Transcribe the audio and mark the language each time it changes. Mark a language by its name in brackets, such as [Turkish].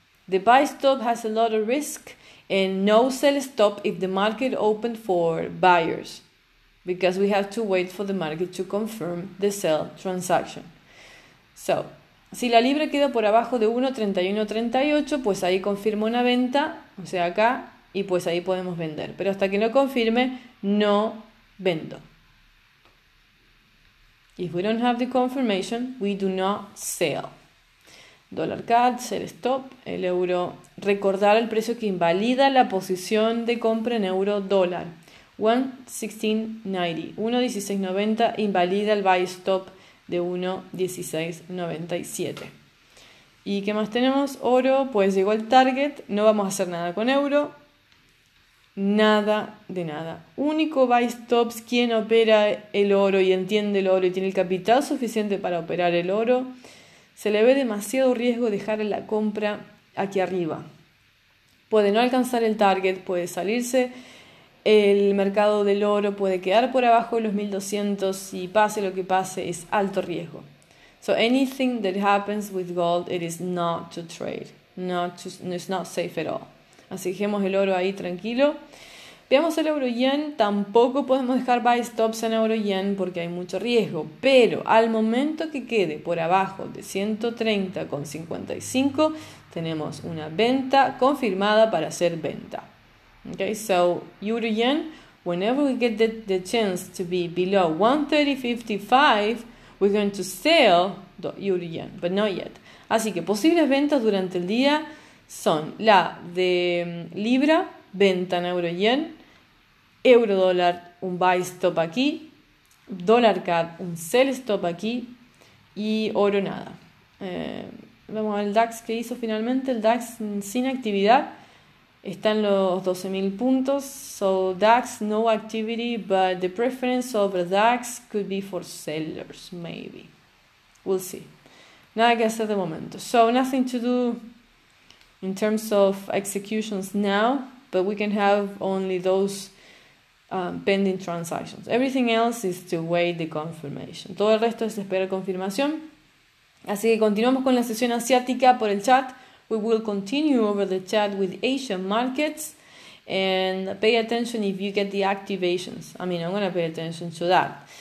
[English] The buy stop has a lot of risk, and no sell stop if the market open for buyers, because we have to wait for the market to confirm the sell transaction. So. [Spanish] Si la libra queda por abajo de 1.3138, pues ahí confirma una venta, o sea, acá, y pues ahí podemos vender. Pero hasta que no confirme, no vendo. [English] If we don't have the confirmation, we do not sell. [Spanish] Dólar CAD, sell stop, el euro. Recordar el precio que invalida la posición de compra en euro dólar. 1.1690. 1.1690 invalida el buy stop de 1.1697. ¿Y qué más tenemos? Oro, pues llegó el target, no vamos a hacer nada con euro, nada de nada. Único buy stops, quien opera el oro y entiende el oro y tiene el capital suficiente para operar el oro, se le ve demasiado riesgo dejar la compra aquí arriba. Puede no alcanzar el target, puede salirse. El mercado del oro puede quedar por abajo de los 1200 y pase lo que pase, es alto riesgo. [English] So anything that happens with gold, it is not to trade. It's not safe at all. [Spanish] Así que dejemos el oro ahí tranquilo. Veamos el euro yen. Tampoco podemos dejar buy stops en euro yen porque hay mucho riesgo. Pero al momento que quede por abajo de 130,55, tenemos una venta confirmada para hacer venta. [English] Okay, so euro yen, whenever we get the chance to be below 130.55, we're going to sell the euro yen, but not yet. [Spanish] Así que posibles ventas durante el día son la de libra, venta en euro yen, euro dólar, un buy stop aquí, dólar CAD, un sell stop aquí y oro nada. Vamos al DAX que hizo finalmente, el DAX sin actividad. Están los 12.000 puntos, [English] so DAX no activity, but the preference over DAX could be for sellers, maybe. We'll see. [Spanish] Nada que hacer de momento. [English] So nothing to do in terms of executions now, but we can have only those pending transactions. Everything else is to wait the confirmation. [Spanish] Todo el resto es esperar confirmación. Así que continuamos con la sesión asiática por el chat. [English] We will continue over the chat with Asian markets and pay attention if you get the activations. I mean, I'm going to pay attention to that.